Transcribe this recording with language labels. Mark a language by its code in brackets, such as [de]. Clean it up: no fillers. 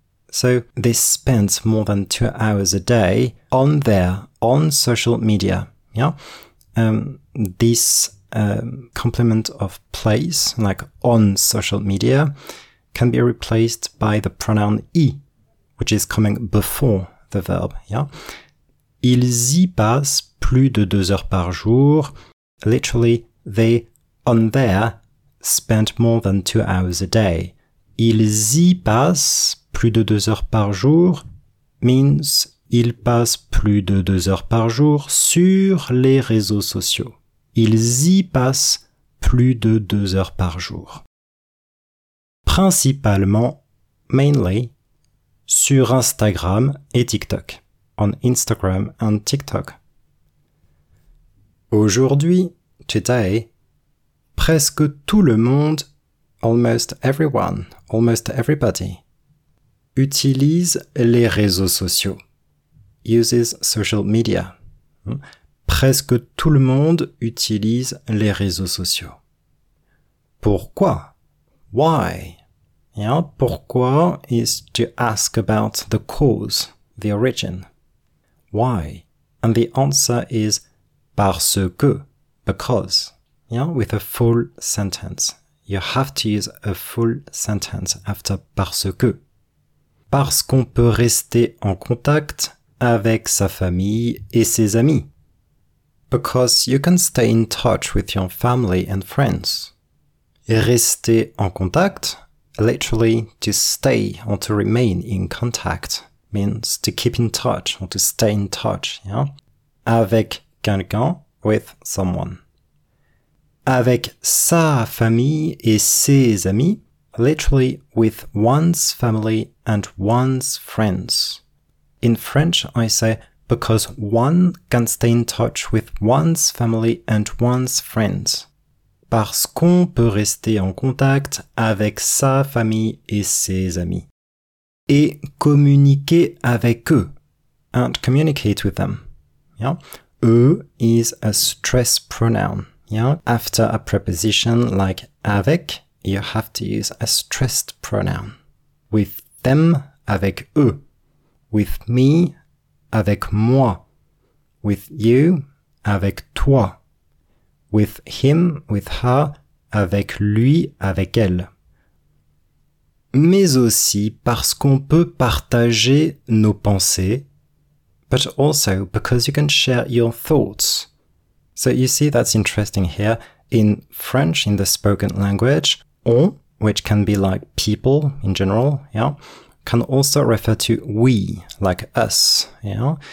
[en] So they spend more than 2 hours a day on their, on social media. Yeah. This complement of place, like on social media, can be replaced by the pronoun y, which is coming before the verb. Yeah. [fr] Ils y passent plus de 2 heures par jour. [en] Literally, they, on there, spend more than 2 hours a day. [fr] Ils y passent plus de 2 heures par jour [en] means [fr] ils passent plus de 2 heures par jour sur les réseaux sociaux. Ils y passent plus de 2 heures par jour. Principalement, [en] mainly, [fr] sur Instagram et TikTok. [en] On Instagram and TikTok. [fr] Aujourd'hui, [en] today, [fr] presque tout le monde, [en] almost everybody, [fr] utilise les réseaux sociaux. [en] Uses social media. [fr] Presque tout le monde utilise les réseaux sociaux. Pourquoi? [en] Why? Yeah, pourquoi is to ask about the cause, the origin. Why? And the answer is parce que, because. Yeah, with a full sentence. You have to use a full sentence after parce que. [fr] Parce qu'on peut rester en contact avec sa famille et ses amis. [en] Because you can stay in touch with your family and friends. [fr] Rester en contact, [en] literally to stay or to remain in contact, means to keep in touch or to stay in touch, yeah? [fr] Avec quelqu'un, [en] with someone. [fr] Avec sa famille et ses amis, [en] literally with one's family and one's friends. In French, I say, because one can stay in touch with one's family and one's friends. [fr] Parce qu'on peut rester en contact avec sa famille et ses amis. Et communiquer avec eux. [en] And communicate with them. Yeah? Eux is a stress pronoun. Yeah? After a preposition like avec, you have to use a stressed pronoun. With them, [fr] avec eux. [en] With me, [fr] avec moi. [en] With you, [fr] avec toi. [en] With him, with her, [fr] avec lui, avec elle. Mais aussi parce qu'on peut partager nos pensées. [en] But also because you can share your thoughts. So you see that's interesting here. In French, in the spoken language, on, which can be like people in general, yeah, can also refer to we, like us, yeah.